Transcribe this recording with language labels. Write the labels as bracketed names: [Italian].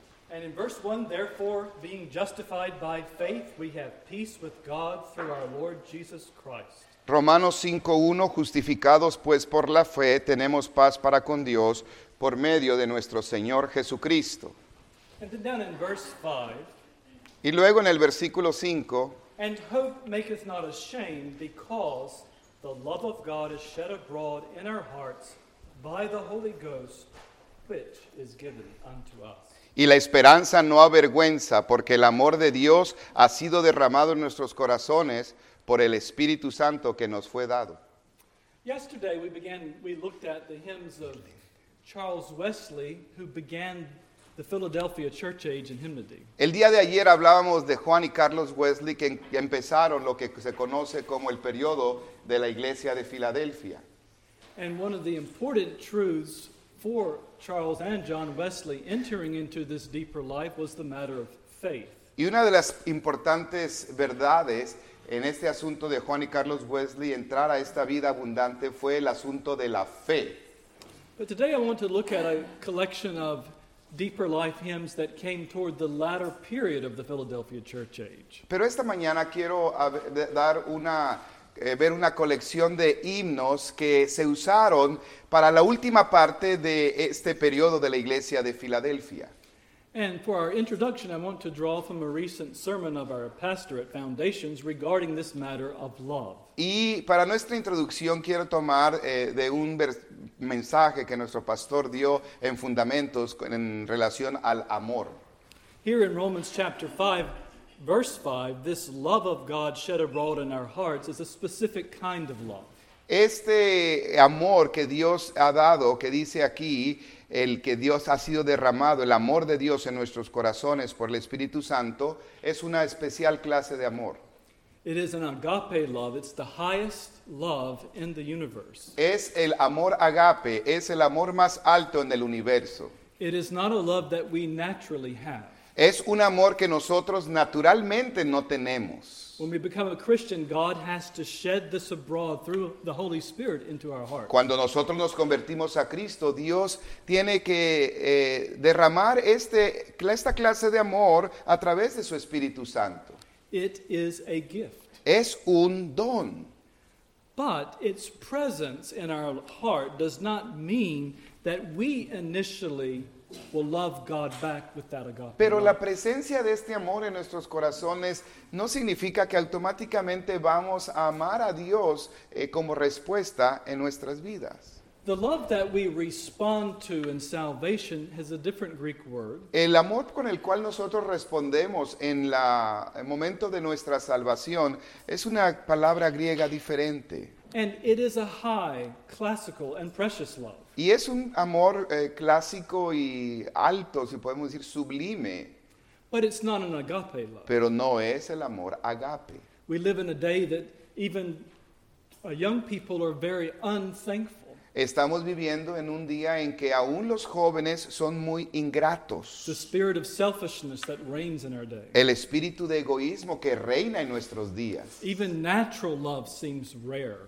[English] And in verse 1, therefore, being justified by faith, we have peace with God through our Lord Jesus Christ. [Spanish] Romanos 5:1, justificados pues por la fe, tenemos paz para con Dios por medio de nuestro Señor Jesucristo. [English] And then down in verse 5. [Spanish] Y luego en el versículo 5. [English] And hope maketh not ashamed, because the love of God is shed abroad in our hearts by the Holy Ghost, which is given unto us. [Spanish] Y la esperanza no avergüenza, porque el amor de Dios ha sido derramado en nuestros corazones por el Espíritu Santo que nos fue dado. [English] Yesterday we looked at the hymns of Charles Wesley, who began the Philadelphia Church Age in hymnody. [Spanish] El día de ayer hablábamos de Juan y Carlos Wesley, que empezaron lo que se conoce como el periodo de la Iglesia de Filadelfia. [English] And one of the important truths for Charles and John Wesley entering into this deeper life was the matter of faith. [Spanish] Y una de las importantes verdades en este asunto de Juan y Carlos Wesley entrar a esta vida abundante fue el asunto de la fe. [English] But today I want to look at a collection of deeper life hymns that came toward the latter period of the Philadelphia Church Age. [Spanish] Pero esta mañana quiero dar una ver una colección de himnos que se usaron para la última parte de este periodo de la Iglesia de Filadelfia. [English] And for our introduction, I want to draw from a recent sermon of our pastor at Foundations regarding this matter of love. [Spanish] Y para nuestra introducción quiero tomar de un mensaje que nuestro pastor dio en Fundamentos en relación al amor. [English] Here in Romans chapter 5, verse 5, this love of God shed abroad in our hearts is a specific kind of love. [Spanish] Este amor que Dios ha dado, que dice aquí, el que Dios ha sido derramado, el amor de Dios en nuestros corazones por el Espíritu Santo, es una especial clase de amor. [English] It is an agape love. It's the highest love in the universe. [Spanish] Es el amor agape, es el amor más alto en el universo. [English] It is not a love that we naturally have. [Spanish] Es un amor que nosotros naturalmente no tenemos. [English] When we become a Christian, God has to shed this abroad through the Holy Spirit into our hearts. [Spanish] Cuando nosotros nos convertimos a Cristo, Dios tiene que derramar esta clase de amor a través de su Espíritu Santo. [English] It is a gift. [Spanish] Es un don. [English] But its presence in our heart does not mean that we initially will love God back with that agape. [Spanish] Pero la presencia de este amor en nuestros corazones no significa que automáticamente vamos a amar a Dios como respuesta en nuestras vidas. [English] The love that we respond to in salvation has a different Greek word. [Spanish] El amor con el cual nosotros respondemos en el momento de nuestra salvación es una palabra griega diferente. [English] And it is a high, classical, and precious love. [Spanish] Y es un amor clásico y alto, si podemos decir sublime. [English] But it's not an agape love. [Spanish] Pero no es el amor agape. [English] We live in a day that even young people are very unthankful. [Spanish] Estamos viviendo en un día en que aún los jóvenes son muy ingratos. [English] The spirit of selfishness that reigns in our day. [Spanish] El espíritu de egoísmo que reina en nuestros días. [English] Even natural love seems rare.